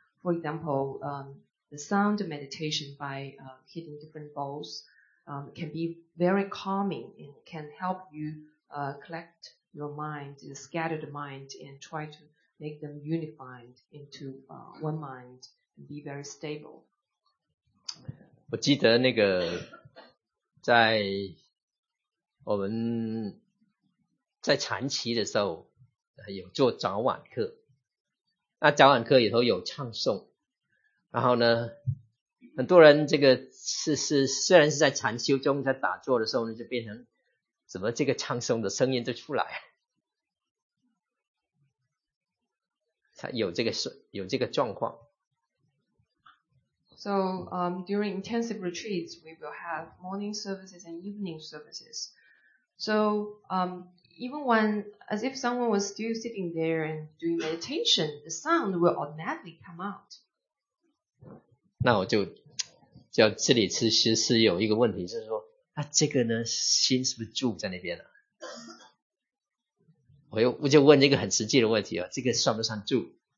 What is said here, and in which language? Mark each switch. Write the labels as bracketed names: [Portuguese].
[English] For example, the sound meditation by hitting different balls can be very calming and can help you collect your mind, the scattered mind, and try to make them unified into one mind and be very stable. [Chinese] 我记得那个在我们在禅期的时候有做早晚课，那早晚课里头有唱诵，然后呢很多人这个虽然是在禅修中在打坐的时候呢，就变成怎么这个唱诵的声音就出来，他有这个状况。 [English] So during intensive retreats, we will have morning services and evening services. So even when, as if someone was still sitting there and doing meditation, the sound will automatically come out. [Chinese] 那我就这里其实有一个问题，就是说，那这个呢，心是不是住在那边了？我就问一个很实际的问题啊，这个算不算住？